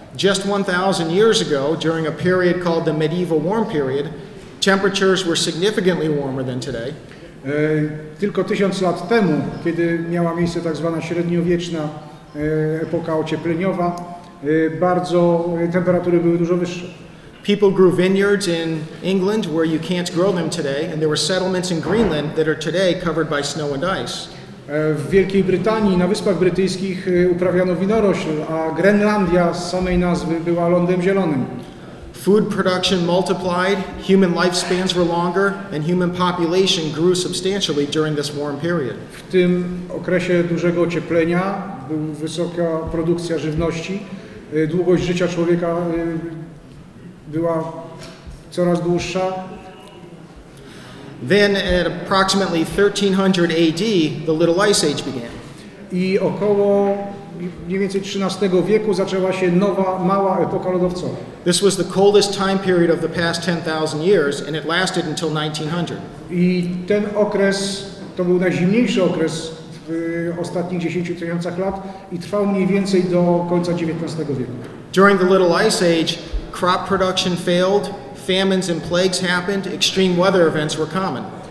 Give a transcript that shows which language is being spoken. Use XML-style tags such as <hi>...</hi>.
<en>Just 1,000 years ago, during a period called the medieval warm period, temperatures were significantly warmer than today.</en> <pl>Tylko 1000 lat temu, kiedy miała miejsce tak zwana średniowieczna epoka ociepleniowa, bardzo temperatury były dużo wyższe.</pl> <en>People grew vineyards in England where you can't grow them today, and there were settlements in Greenland that are today covered by snow and ice.</en> <pl>W Wielkiej Brytanii, na Wyspach Brytyjskich, uprawiano winorośl, a Grenlandia z samej nazwy była lądem zielonym.</pl> <en>Food production multiplied, human lifespans were longer, and human population grew substantially during this warm period.</en> <pl>W tym okresie dużego ocieplenia była wysoka produkcja żywności. Długość życia człowieka była coraz dłuższa.</pl> <en>Then at approximately 1300 AD, the Little Ice Age began.</en> <pl>I około mniej więcej XIII wieku zaczęła się nowa, mała epoka lodowcowa.</pl> <en>This was the coldest time period of the past 10,000 years, and it lasted until 1900.</en> <pl>I ten okres to był najzimniejszy okres w ostatnich 10 tysiącach lat i trwał mniej więcej do końca XIX wieku.</pl> <en>During the Little Ice Age, crop production failed, famines and plagues happened, extreme weather events were common.</en>